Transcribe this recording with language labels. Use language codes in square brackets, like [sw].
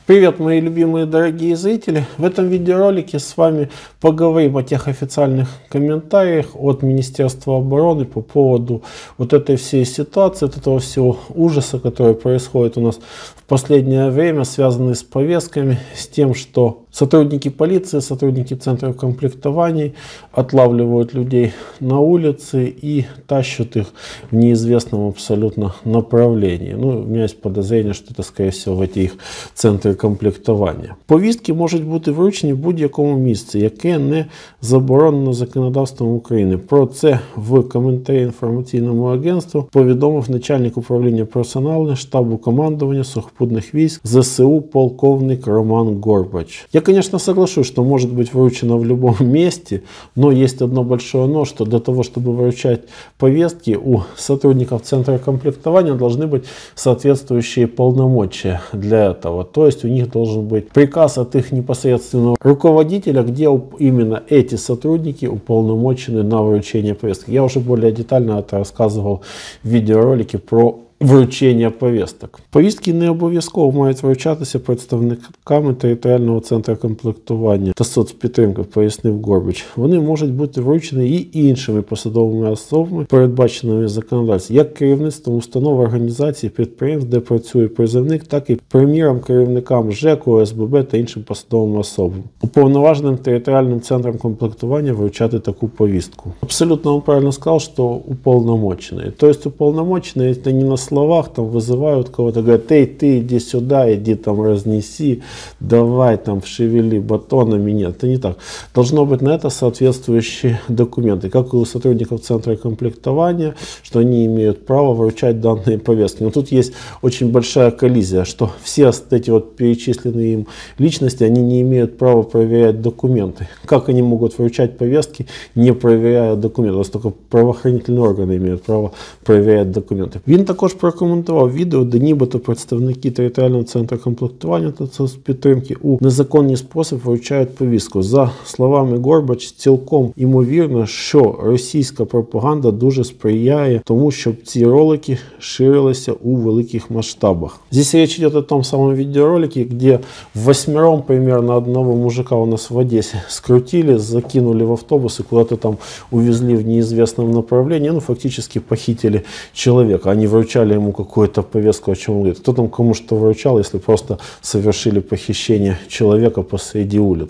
[ru] Привет, мои любимые, дорогие зрители! В этом видеоролике с вами поговорим о тех официальных комментариях от Министерства обороны по поводу вот этой всей ситуации, от этого всего ужаса, который происходит у нас в последнее время, связанный с повестками, с тем, что сотрудники полиции, сотрудники центра комплектований отлавливают людей на улице и тащат их в неизвестном абсолютно направлении. Ну, у меня есть подозрение, что это, скорее всего, в эти их центры комплектования. [uk] Повістки можуть бути вручені в будь-якому місці, яке не заборонено законодавством України. Про це в коментарі інформаційному агентству повідомив начальник управління персоналу штабу командування сухопутних військ ЗСУ полковник Роман Горбач. [ru] Я, конечно, соглашусь, что может быть вручено в любом месте, но есть одно большое но, что для того, чтобы вручать повестки, у сотрудников центра комплектования должны быть соответствующие полномочия для этого. То есть у них должен быть приказ от их непосредственного руководителя, где именно эти сотрудники уполномочены на вручение повестки. Я уже более детально это рассказывал в видеоролике про вручение повесток. [uk] Повістки не обов'язково мають вручатися представниками територіального центру комплектування та соцпідтримки, пояснив Горбач. Вони можуть бути вручені і іншими посадовими особами, передбаченими законодавством, як керівництвом установ, організацій, підприємств, де працює призовник, так і прем'єром, керівникам ЖЕКу, ОСББ та іншим посадовим особам, уповноваженим територіальним центром комплектування вручати таку повістку. Абсолютно он правильно сказав, що уповноважений. Тобто уповноважений – це не на словах, [ru] там вызывают кого-то, говорят: «Эй, ты иди сюда, иди там разнеси, давай там шевели батонами». Нет, это не так. Должно быть на это соответствующие документы, как и у сотрудников центра комплектования, что они имеют право вручать данные повестки. Но тут есть очень большая коллизия, что все эти вот перечисленные им личности, они не имеют права проверять документы. Как они могут вручать повестки, не проверяя документы? У нас только правоохранительные органы имеют право проверять документы. [uk] Також прокоментував відео, де нібито представники територіального центру комплектування та соцпідтримки у незаконний спосіб вручають повістку. За словами Горбач, цілком імовірно, що російська пропаганда дуже сприяє тому, щоб ці ролики ширилися у великих масштабах. [ru] Здесь речь [uk] йде о тому самому відеоролику, [ru] де восьмером приблизно одного мужика у нас в Одесі скрутили, закинули в автобус і куди-то там увезли в неізвісному направлении, ну фактично похитили чоловіка, а не вручали ему какую-то повестку, о чем он говорит. Кто там кому что вручал, если просто совершили похищение человека посреди улиц.